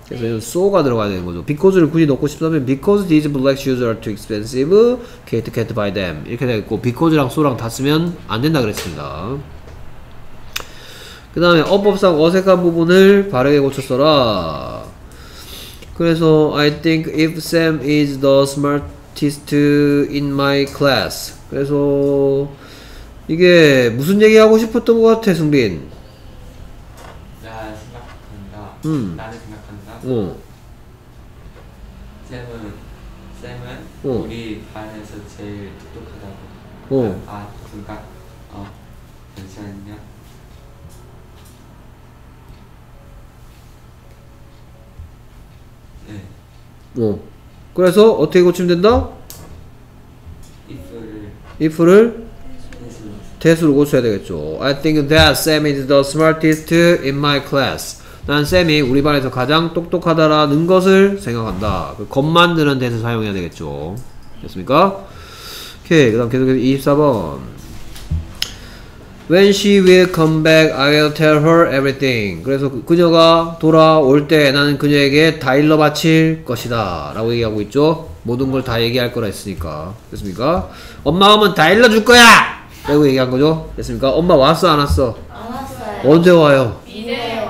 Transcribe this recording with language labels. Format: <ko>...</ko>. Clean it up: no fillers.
<ko>그래서 여기 so가 들어가야 되는 거죠. because를 굳이 넣고 싶다면</ko> <en>because these black shoes are too expensive Kate can't buy them</en> <ko>이렇게 되겠고 because랑 so랑 다 쓰면 안 된다 그랬습니다. 그 다음에 어법상 어색한 부분을 바르게 고쳤어라. 그래서</ko> <en>I think if Sam is the smartest in my class.</en> <ko>그래서 이게 무슨 얘기 하고 싶었던 것 같아 승빈? 나 생각한다. 어. 샘은 어. 우리 반에서 제일 똑똑하다고. 어. 아, 잠깐. 어. 괜찮냐? 네. 어. 그래서 어떻게 고치면 된다? if를 대수로 고쳐야 되겠죠.</ko> <en>I think that Sam is the smartest in my class.</en> <ko>난 쌤이 우리 반에서 가장 똑똑하다라는 것을 생각한다. 그 겉만드는 대신 사용해야 되겠죠. 됐습니까? 오케이, 그 다음 계속해서 24번.</ko> <en>When she will come back, I will tell her everything.</en> <ko>그래서 그녀가 돌아올 때 나는 그녀에게 다 일러바칠 것이다 라고 얘기하고 있죠. 모든 걸 다 얘기할 거라 했으니까. 됐습니까? 엄마 오면 다 일러줄 거야! 라고 얘기한 거죠. 됐습니까? 엄마 왔어 안 왔어? 안 왔어요. 언제 와요? 이제</ko>